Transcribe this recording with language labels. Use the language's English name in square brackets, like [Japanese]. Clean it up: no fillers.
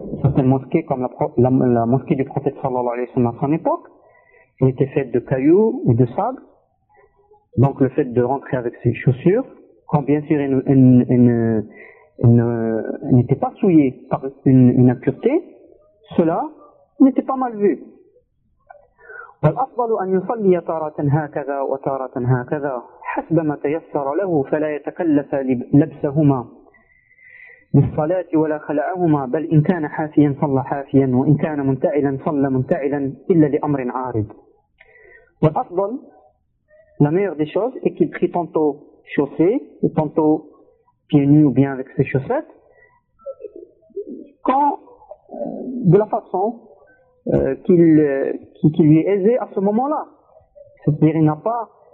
[French] Certaines mosquées, comme la mosquée du prophète sallallahu alayhi wa sallam à son époque, étaient faites de cailloux ou de sable. Donc le fait de rentrer avec ses chaussures, quand bien sûr elle n'était pas souillée par une impureté, cela n'était pas mal vu. [Arabic] والأفضل أن يصلي تارة هكذا وتارة هكذا حسب ما تيسر له فلا يتكلف لبسهما بالصلاة ولا خلعهما بل إن كان حافيا صلى حافيا وإن كان منتعلا صلى منتعلا إلا لأمر عارض. والأفضل [French] la meilleure des choses est qu'il prie tantôt chaussé, ou tantôt pieds nus ou bien avec ses chaussettes, quand de la façon qu'il lui est aisé à ce moment-là. C'est-à-dire qu'il n'a pas